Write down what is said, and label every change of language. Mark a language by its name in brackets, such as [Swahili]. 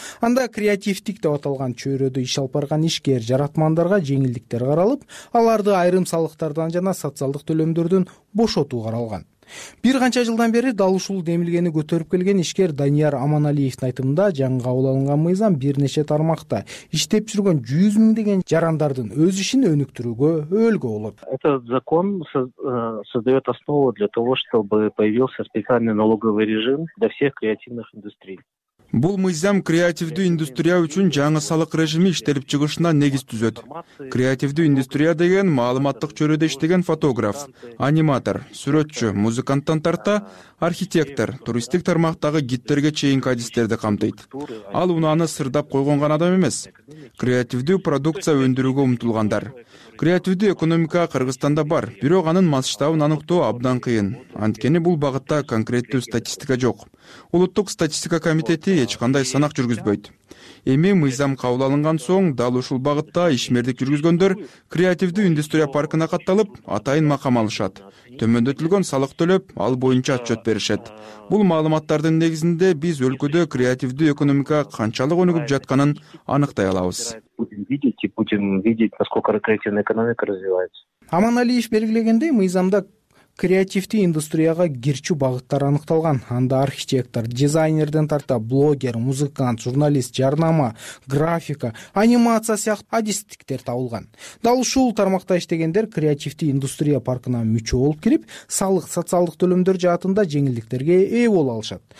[Kyrgyz] Анда креативдик деп аталган чөйрөдө иш алып барган ишкер, жаратмандарга жеңилдиктер каралып, аларды айрым салыктардан жана социалдык төлөмдөрдөн бошотуу каралган. Бир канча жылдан бери дал ушул демилгени көтөрүп келген ишкер Данияр Аманалиевдин айтымында жаңы кабыл алынган мыйзам бир нече тармакта иштеп жүргөн 100 000 деген жарандардын өз ишин өнүктүрүүгө өлгө болот. [Russian] Этот закон создает основу для того, чтобы появился специальный налоговый режим для всех креативных индустрий. [Kyrgyz] Бул мыйзам креативдүү индустрия үчүн жаңы салык режими иштелип чыгышына негиз түзөт. Креативдүү индустрия деген маалыматтык чөйрөдө иштеген фотограф, аниматор, сүрөтчү, музыканттан тарта архитектор, туристтик тармактагы гидтерге чейин кадистерди камтыйт. Ал унааны сырдап койгон гана адам эмес. Креативдүү продукция өндүрүүгө умтулгандар. Креативдүү экономика Кыргызстанда бар, бирок анын масштабын аныктоо абдан кыйын. Анткени бул багытта конкреттүү статистика жок. Улуттук статистика комитети эч кандай санак жүргүзбөйт. Эми мыйзам кабыл алынган соң дал ушул багытта ишмердик жүргүзгөндөр креативдүү индустрия паркына катталып, атайын макам алышат. Төмөндөтүлгөн салык төлөп, ал боюнча отчет беришет. Бул маалыматтардын негизинде биз өлкөдө креативдүү экономика канчалык өнүгүп жатканын аныктай алабыз. [Russian] Будем видеть, насколько креативная экономика развивается. [Kyrgyz] Аманалиев белгилегендей, мыйзамда креативдүү индустрияга кирчү багыттар аныкталган. Анда архитектор, дизайнерден тарта блогер, музыкант, журналист, жарнама, графика, анимация сыяктуу адистиктер табылган. Дал ушул тармакта иштегендер креативдүү индустрия паркына мүчө болуп кирип, салык, социалдык төлөмдөр жаатында жеңилдиктерге ээ боло алышат.